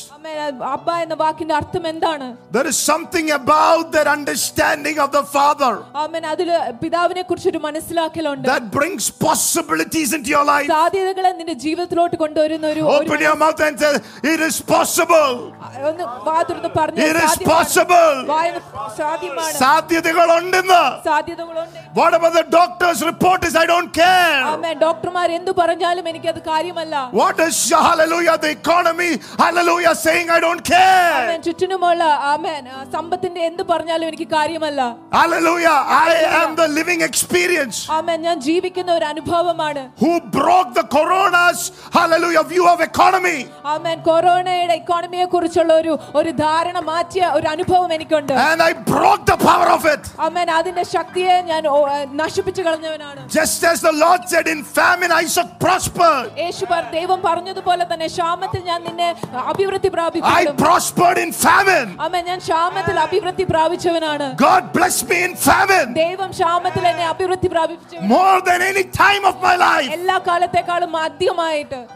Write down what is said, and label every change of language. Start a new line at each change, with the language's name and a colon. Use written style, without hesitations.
Malayalam: amen abba എന്ന വാക്കിന്റെ അർത്ഥം എന്താണ്
English: there is something about that understanding of the father
Malayalam: amen അതിൽ പിതാവിനെ കുറിച്ച് ഒരു മനസ്സിലാക്കലുണ്ട്
English: that brings possibilities into your life
Malayalam: സാധ്യതകളെ നിന്റെ ജീവിതത്തിലോട്ട് കൊണ്ടുവരുന്ന ഒരു
English: open your mouth and say it is possible
Malayalam: ഒന്ന് വാതുറന്ന് പറഞ്ഞു
English: it is possible
Malayalam: സാധ്യമാണ് സാധ്യതകളുണ്ടെന്ന് സാധ്യതകളുണ്ട്
English: what about the doctor's report is I don't care
Malayalam: amen ഡോക്ടർമാർ എന്തു പറഞ്ഞാലും എനിക്ക് അത് കാര്യമല്ല
English: what is hallelujah the economy hallelujah saying I don't care
Malayalam: amen ചുറ്റിനുമുള്ള amen സമ്പത്തിന്റെ എന്തു പറഞ്ഞാലും എനിക്ക് കാര്യമല്ല
English: hallelujah I am the living experience
Malayalam: amen ഞാൻ ജീവിക്കുന്ന ഒരു അനുഭവമാണ്
English: who broke the corona's hallelujah view of economy
Malayalam: amen കൊറോണയുടെ ഇക്കോണമിയെ കുറിച്ചുള്ള ഒരു ഒരു ധാരണ മാറ്റിയ ഒരു അനുഭവം എനിക്കുണ്ട്
English: and I broke the power of it
Malayalam: amen അതിന്റെ ശക്തിയെ ഞാൻ നശിപ്പിച്ചു കളഞ്ഞവനാണ്
English: just as the lord said in famine I shall prosper
Malayalam: യേശു ദൈവം പറഞ്ഞതുപോലെ തന്നെ ക്ഷാമത്തിൽ ഞാൻ നിന്നെ അഭിവൃദ്ധി പ്രാപിക്കും
English: I prospered in famine
Malayalam: amen ഞാൻ ക്ഷാമത്തിൽ അഭിവൃദ്ധി പ്രാപിച്ചവനാണ്
English: god blessed me in famine
Malayalam: ദൈവം ക്ഷാമത്തിൽ എന്നെ അഭിവൃദ്ധി പ്രാപിപ്പിച്ചു
English: more than any time of my life
Malayalam: എല്ലാ കാലത്തേക്കാളും അധികമായിട്ട്